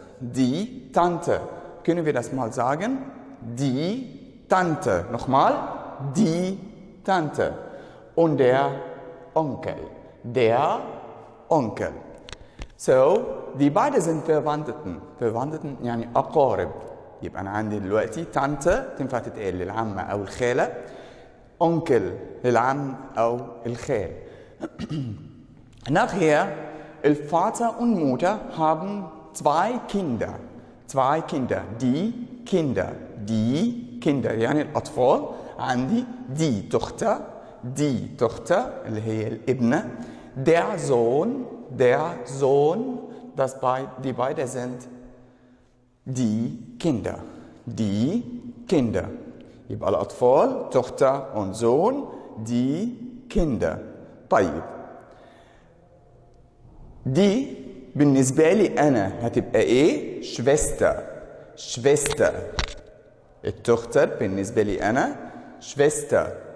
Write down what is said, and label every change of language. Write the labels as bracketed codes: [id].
[de] Die Tante. Können wir das mal sagen? Die Tante. Nochmal, die Tante. Und der Onkel. Der Onkel. So, die beiden sind Verwandten. [ar] Verwandten, يعني أقارب. يبقى أنا عندي دلوقتي Tante, تنفع تتقال للعمة أو الخالة. Onkel, للعم أو الخال. [de] Nachher, Vater und Mutter haben zwei Kinder. Zwei Kinder. Die Kinder. Die Kinder. [ar] يعني الأطفال عندي [de] die Tochter. Die Tochter, [ar] اللي هي الابنة. [de] Der Sohn. Der Sohn, die beide sind die Kinder. Die Kinder. [ar] يبقى الأطفال, [de] Tochter und Sohn, die Kinder. [ar] طيب. Die, بالنسبة لي أنا, هتبقى إيه? Schwester. Schwester. التochter, بالنسبة لي أنا, Schwester.